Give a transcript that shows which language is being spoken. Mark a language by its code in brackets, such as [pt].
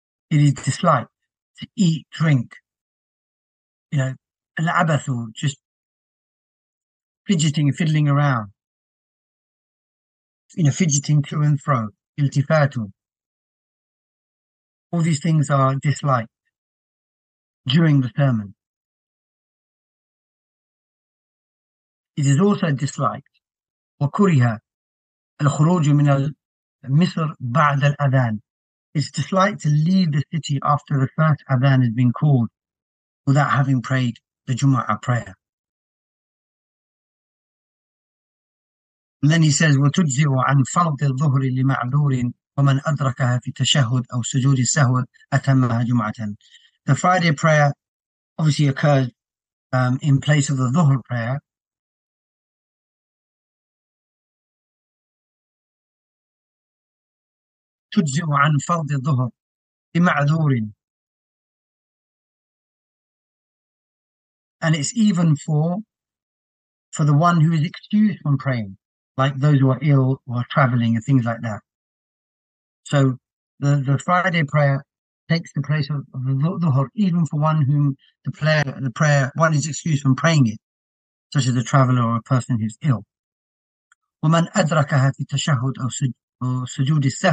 [en] It is disliked to eat, drink, you know, al-abath, or just fidgeting and fiddling around, you know, fidgeting to and fro, iltifatu. All these things are disliked during the sermon. It is also disliked, [ar] وَكُرِهَا الْخُرُوجُ مِنَ الْمِصْرِ بَعْدَ الْأَذَانِ. [en] It's disliked to leave the city after the first adhan has been called without having prayed the Jumu'ah prayer. And then he says, [ar] وَتُجْزِعُ عَنْ فَرْضِ الظُّهْرِ لِمَعْذُورٍ وَمَنْ أَدْرَكَهَا فِي تَشَهُدْ أَوْ سُجُودِ السَّهْوِ أَتَمَّهَا جُمُعَةً. [en] The Friday prayer obviously occurred in place of the Dhuhr prayer. [ar] تجزئ عن فرض الظهر بمعذور. [en] And it's even for the one who is excused from praying, like those who are ill or traveling and things like that. So the Friday prayer takes the place of the dhuhr, even for one whom the prayer, one is excused from praying it, such as a traveler or a person who's ill. [ar] ومن أدركها في تشهد أو سجود.